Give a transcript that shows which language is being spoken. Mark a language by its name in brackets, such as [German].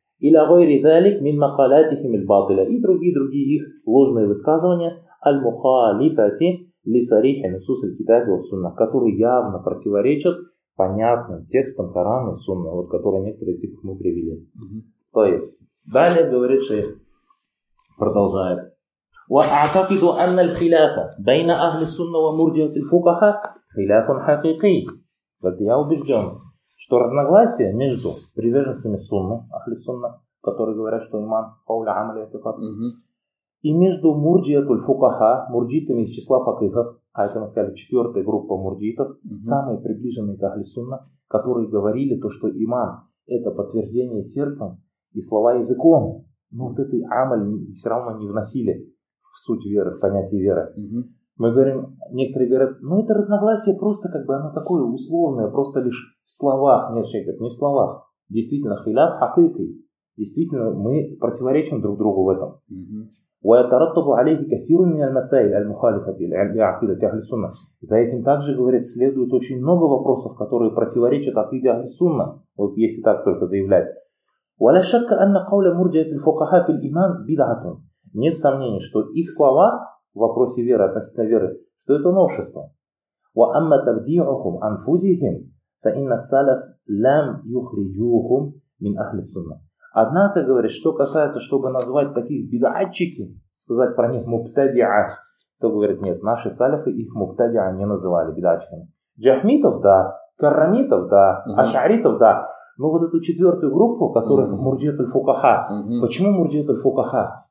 [Arabic] Иля гойри залик мин макалятих им ильбатыля. [Russian] И другие их ложные высказывания. [Arabic] Аль мухалифати лисарихи нисус аль китаби вассунна. [Russian] Которые явно противоречат понятным текстам Корана и Сунна. Вот которые некоторые тексты мы привели. То есть, далее говорит шейх, продолжает. [Arabic] وأعتقد أن الخلاف بين أهل السنة ومرجئة الفقهاء خلاف حقيقي. [Russian] Вот я убежден, что разногласие между приверженцами Сунны, أهل السنة, которые говорят, что иман [Arabic] قول عمل اعتقاد, [Russian] и между мурджиат аль-фукаха, мурджитами из числа факихов, а это мы сказали четвертая группа мурджитов, самые приближенные к أهل السنة, которые говорили то, что иман это подтверждение сердцем и слова языком, но вот этой амаль все равно не вносили. В суть веры, в понятие веры. Мы говорим, некоторые говорят, ну это разногласие просто как бы оно такое условное, просто лишь в словах. Нет, человек говорит, не в словах. Действительно, [Arabic] хиляф хакыкый. [Russian] Действительно, мы противоречим друг другу в этом. [Arabic] ويترتب عليه كثير من المسائل المخالفة لعقيدة أهل السنة. [Russian] За этим также, говорят, следует очень много вопросов, которые противоречат عقيدة أهل السنة, вот если так только заявлять. [Arabic] ولا شك أن قول مرجئة الفقهاء في الإيمان بدعة. [Russian] Нет сомнений, что их слова в вопросе веры, относительно веры, что это новшество. [Arabic] وأما تبديعهم أنفسهم فإن السلف لم يخرجوهم من أهل السنة. [Russian] Однако, говорит, что касается, чтобы назвать таких бидаатчики, сказать про них мубтадиа, то говорит, нет, наши салифы их мубтадиа не называли бидаатчиками. Джахмитов, да, каррамитов, да, ашаритов, да. Но вот эту четвертую группу, которая мурджит-ль-фукаха, почему мурджит-ль-фукаха?